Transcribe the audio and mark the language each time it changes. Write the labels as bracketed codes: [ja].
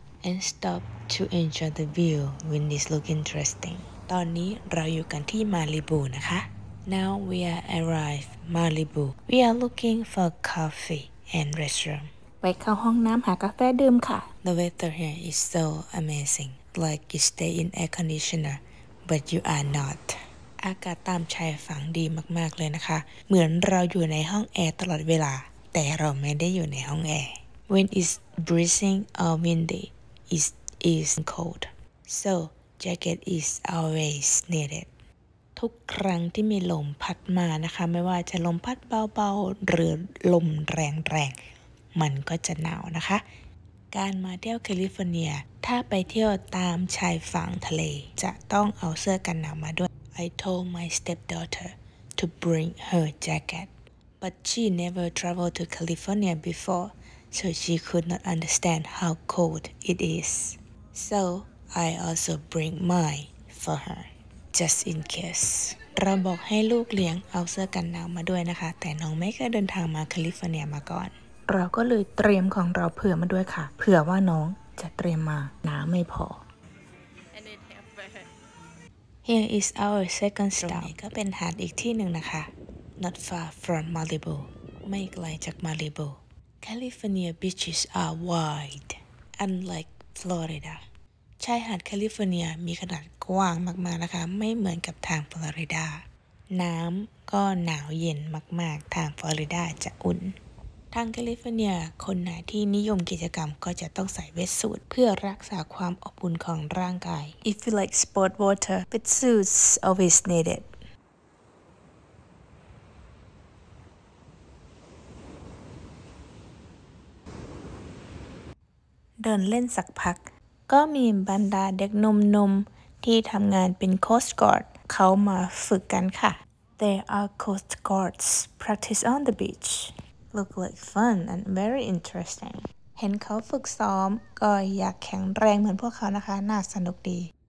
[en] And stop to enjoy the view when this look interesting. [th] ตอนนี้เราอยู่กันที่มาลิบูนะคะ [en] Now we are arrived Malibu. We are looking for coffee and restroom. [th] ไปเข้าห้องน้ำหากาแฟดื่มค่ะ [en] The weather here is so amazing. Like you stay in air conditioner, but you are not. [th] อากาศตามชายฝั่งดีมากๆเลยนะคะเหมือนเราอยู่ในห้องแอร์ตลอดเวลาแต่เราไม่ได้อยู่ในห้องแอร์ [en] When it's breezing or windyIt's cold, so jacket is always needed. [th] ทุกครั้งที่มีลมพัดมานะคะไม่ว่าจะลมพัดเบาๆหรือลมแรงๆมันก็จะหนาวนะคะการมาเที่ยวแคลิฟอร์เนียถ้าไปเที่ยวตามชายฝั่งทะเลจะต้องเอาเสื้อกันหนาวมาด้วย [en] I told my stepdaughter to bring her jacket, but she never traveled to California before. So she could not understand how cold it is. So I also bring mine for her, just in case. [th] เราบอกให้ลูกเลี้ยงเอาเสื้อกันหนาวมาด้วยนะคะแต่น้องไม่เคยเดินทางมาแคลิฟอร์เนียมาก่อน เราก็เลยเตรียมของเราเผื่อมาด้วยค่ะเผื่อว่าน้องจะเตรียมมาหนาวไม่พอ [en] And it happened. Here is our second stop. [th] ตรงนี้ก็เป็นหาดอีกที่หนึ่งนะคะ [en] Not far from Malibu. [th] ไม่ไกลจาก [en] MalibuCalifornia beaches are wide, unlike Florida. [th] ชายหาดแคลิฟอร์เนียมีขนาดกว้างมากๆนะคะไม่เหมือนกับทางฟลอริดาน้ำก็หนาวเย็นมากๆทางฟลอริดาจะอุ่นทางแคลิฟอร์เนียคนไหนที่นิยมกิจกรรมก็จะต้องใส่เวทสูทเพื่อรักษาความอบอุ่นของร่างกาย [en] If you like sport water, wetsuits always needed. [th] เดินเล่นสักพักก็มีบรรดาเด็กนมที่ทำงานเป็นโคสต์การ์ดเขามาฝึกกันค่ะ [en] There are coast guards practice on the beach. Look like fun and very interesting. [th] เห็นเขาฝึกซ้อมก็อยากแข็งแรงเหมือนพวกเขานะคะน่าสนุกดี